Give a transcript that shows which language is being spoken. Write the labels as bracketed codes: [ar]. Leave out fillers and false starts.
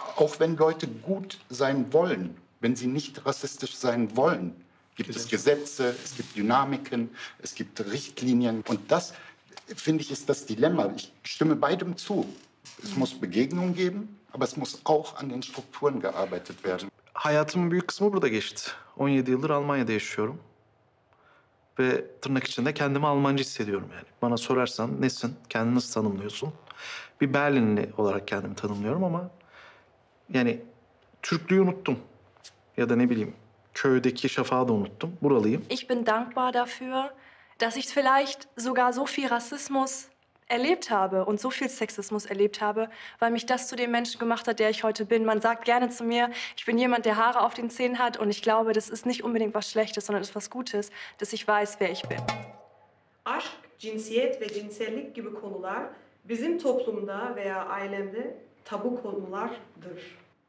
[de] Auch wenn Leute gut sein wollen, wenn sie nicht rassistisch sein wollen, gibt es Gesetze, es gibt Dynamiken, es gibt Richtlinien. Und das, finde ich, ist das Dilemma. Ich stimme beidem zu. Es muss Begegnung geben, aber es muss auch an den Strukturen gearbeitet werden. [tr] Hayatımın büyük kısmı burada geçti. 17 yıldır Almanya'da yaşıyorum. Ve tırnak içinde kendimi Almancı hissediyorum yani. Bana sorarsan nesin, kendini nasıl tanımlıyorsun? Bir Berlinli olarak kendimi tanımlıyorum ama... yani Türklüğü unuttum. Ya da ne bileyim, köydeki şafağı da unuttum. Buralıyım. [de] Ich bin dankbar dafür, dass ich vielleicht sogar so viel Rassismus erlebt habe und so viel Sexismus erlebt habe, weil mich das zu dem Menschen gemacht hat, der ich heute bin. Man sagt gerne zu mir, ich bin jemand, der Haare auf den Zähnen hat und ich glaube, das ist nicht unbedingt was Schlechtes, sondern es ist was Gutes, dass ich weiß, wer ich bin. [tr] Aşk, cinsiyet ve cinsellik gibi konular bizim toplumda veya ailemde tabu konulardır.